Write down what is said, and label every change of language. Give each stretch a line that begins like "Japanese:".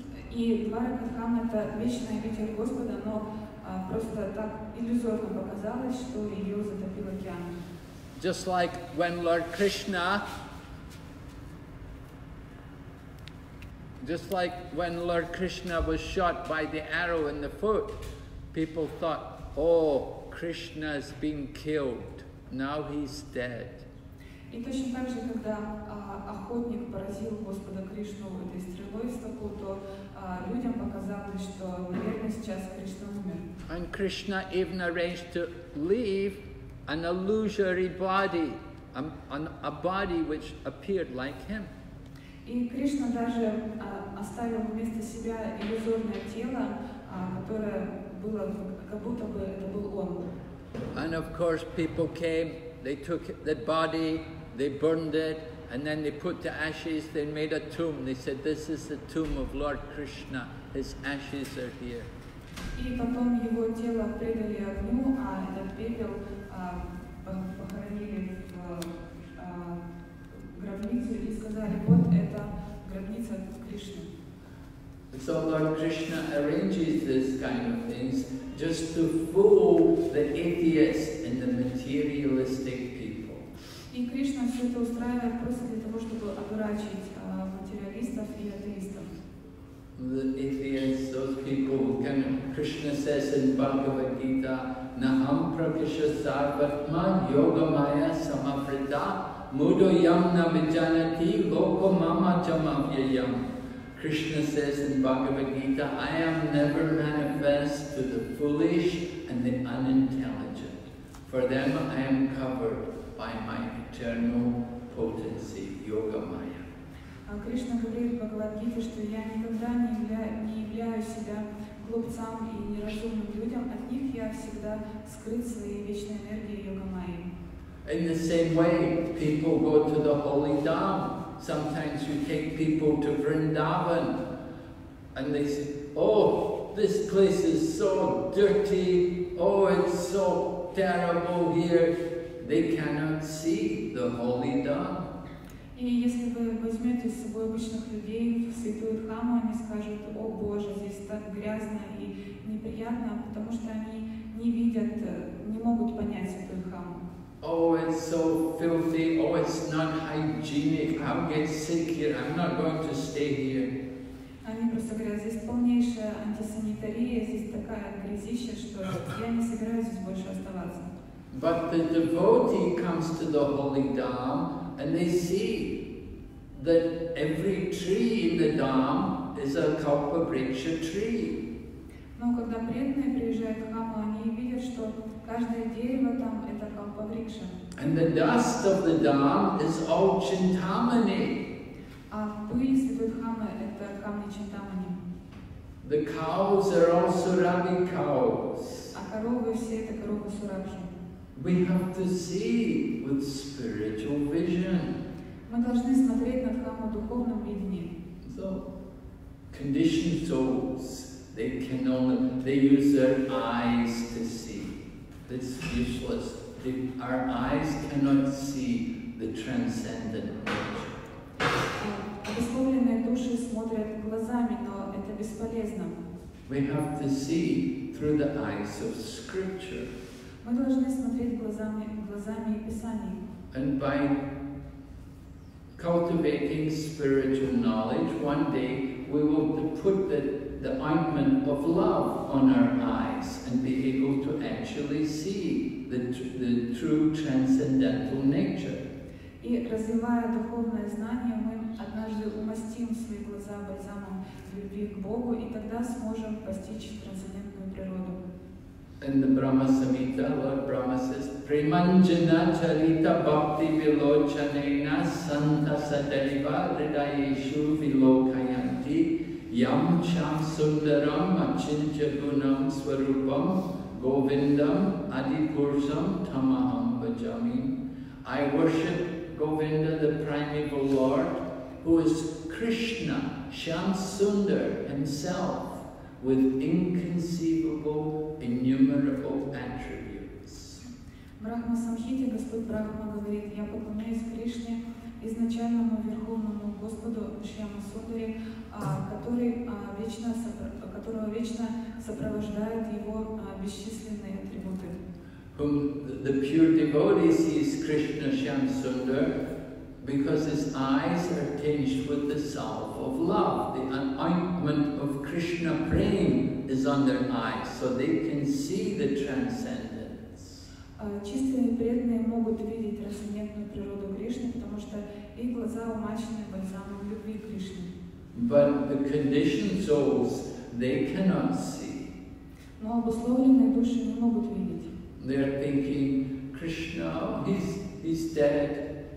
Russian: И Дварака Дхама — это вечная обитель Господа, но просто так иллюзорно показалось, что ее затопил океан.
English: Just like when Lord Krishna was shot by the arrow in the foot, people thought, oh, Krishna has been killed. Now he's dead.
Russian: И точно так же, когда охотник поразил Господа Кришну этой стрелой в стопу, то людям показалось, что, наверное, сейчас Кришна умер.
English: And Krishna even arranged to leave an illusory body, a body which appeared like him.
Russian: И Кришна даже оставил вместо себя иллюзорное тело, которое было, как будто бы это был он.
English: And of course people came, they took the body, they burned it, and then they put the ashes, they made a tomb. They said, this is the tomb of Lord Krishna. His ashes are here.
Russian: И потом его тело предали огню, а этот пепел похоронили в гробницу и сказали, вот это гробница Кришны.
English: So Lord Krishna arranges this kind of things just to fool the atheists and the materialistic people.
Russian: И Кришна все это устраивает просто для того, чтобы одурачить материалистов и атеистов.
English: The atheists, those people who can, Krishna says in Bhagavad Gita,
Sanskrit: Naham Prakasha Sarvatma Yoga Maya Samavrita Mudoyam Namijanati Loko Mama Jamavyayam.
English: Krishna says in Bhagavad Gita, I am never manifest to the foolish and the unintelligent. For them I am covered by my eternal potency, Yoga Maya.
Russian: Кришна говорит в Бхагавад-гите, что я никогда не являю себя глупцам и неразумным людям, от них я всегда скрыт своей вечной энергией йога-майи.
English: In the same way, people go to the holy dham. Sometimes you take people to Vrindavan, and they say, oh, this place is so dirty, oh, it's so terrible here. They cannot see the holy dham.
Russian: И если вы возьмете с собой обычных людей в святую дхаму, они скажут, о Боже, здесь так грязно и неприятно, потому что они не видят, не могут понять святую дхаму.
English: Oh, it's so filthy, oh, it's not hygienic, I'll get sick here, I'm not going to stay here.
Russian: Они просто говорят, здесь полнейшая антисанитария, здесь такая грязища, что я не собираюсь здесь больше оставаться.
English: But the devotee comes to the holy dham, and they see that every tree in the dham is a kalpa vriksha tree.
Russian: Но когда преданные приезжают в храм, они видят, что каждое дерево там это kalpa vriksha.
English: And the dust of the dham is all chintamani.
Russian: А пыль святой храма это камни чинтамани.
English: The cows are all surabhi cows.
Russian: А коровы все это коровы сурабжи.
English: We have to see with spiritual vision.
Russian: Мы должны смотреть на храм в духовном видении.
English: So, conditioned souls, they can only, they use their eyes to see. It's useless. Our eyes cannot see the transcendent nature.
Russian: Обусловленные души смотрят глазами, но это бесполезно.
English: We have to see through the eyes of scripture.
Russian: Мы должны смотреть глазами Писаний.
English: And by cultivating spiritual knowledge, one day we will put the ointment of love on our eyes and be able to actually see the true transcendental nature.
Russian: И развивая духовное знание, мы однажды умастим свои глаза бальзамом любви к Богу, и тогда сможем постичь трансцендентную природу.
English: In the Brahma Samhita, Lord Brahma says,
Sanskrit: Premanjana charita bhakti vilochanena santa sadaiva ridayeshu vilokayanti yam cham sundaram achincha gunam swarupam govindam adipursam tamaham bhajami.
English: I worship Govinda, the primeval Lord, who is Krishna, Shyam Sundar himself, with inconceivable, innumerable attributes.
Russian: Брахма Самхите, Господь Брахма говорит, я поклоняюсь Кришне, изначальному Верховному Господу Шьяма Сундаре, которого вечно сопровождают его бесчисленные атрибуты.
English: Whom the pure devotee sees Krishna Shyam Sundar because his eyes are tinged with the salve of love. The ointment of Krishna Prem is on their eyes, so they can see the transcendence.
Russian: Чистые преданные могут видеть трансцендентную природу Кришны, потому что их глаза умащены бальзамом любви Кришны.
English: But the conditioned souls, they cannot see.
Russian: Но обусловленные души не могут видеть.
English: They are thinking, Krishna, he's dead.